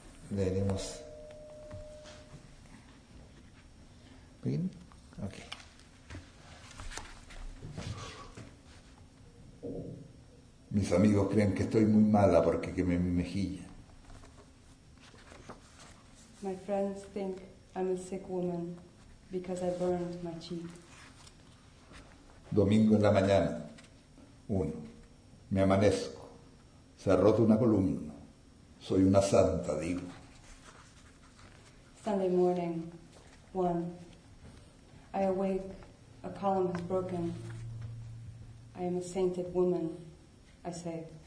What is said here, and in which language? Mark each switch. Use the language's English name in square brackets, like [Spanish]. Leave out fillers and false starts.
[Spanish] Leeremos. ¿Bien? Ok. Mis amigos creen que estoy muy mala porque quemé mi mejilla. [English] My friends think I'm a sick woman because I burned my cheek. [Spanish] Domingo en la mañana, uno, me amanezco, se ha roto una columna, soy una santa, digo. [English] Sunday morning, one, I awake, a column has broken, I am a sainted woman. I say.